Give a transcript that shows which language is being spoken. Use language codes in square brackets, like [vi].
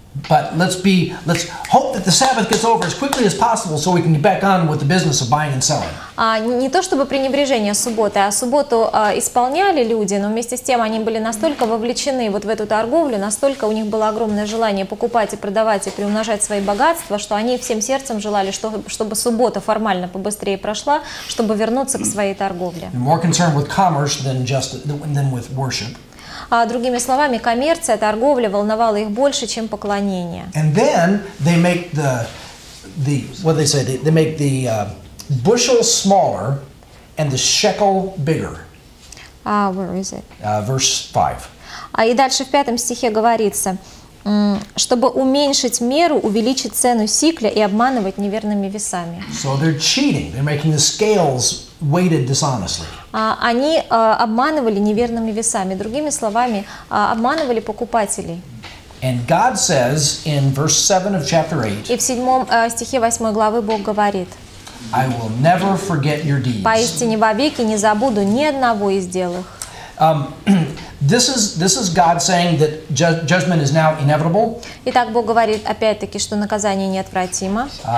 [en] But let's hope that the Sabbath gets over as quickly as possible so we can get back on with the business of buying and selling. [ru] Не то чтобы пренебрежение субботы, а субботу исполняли люди, но вместе с тем они были настолько вовлечены вот в эту торговлю, настолько у них было огромное желание покупать и продавать и приумножать свои богатства, что они всем сердцем желали, чтобы суббота формально побыстрее прошла, чтобы вернуться к своей торговле. [en] More concerned with commerce than with worship. [ru] Другими словами, коммерция, торговля волновала их больше, чем поклонение. [en] And then they make the bushel smaller and the shekel bigger. Where is it? Verse 5. [ru] И дальше в пятом стихе говорится, чтобы уменьшить меру, увеличить цену сикля и обманывать неверными весами. [en] So they're cheating. They're making the scales weighted dishonestly. [ru] Они обманывали неверными весами. Другими словами, обманывали покупателей. [en] And God says in verse 7 of chapter 8. [ru] И в седьмом стихе 8 главы Бог говорит: [en] I will never forget your deeds. [ru] Поистине вовеки не забуду ни одного из дел их. [en] This is God saying that judgment is now inevitable. [ru] Итак, Бог говорит опять-таки, что наказание неотвратимо.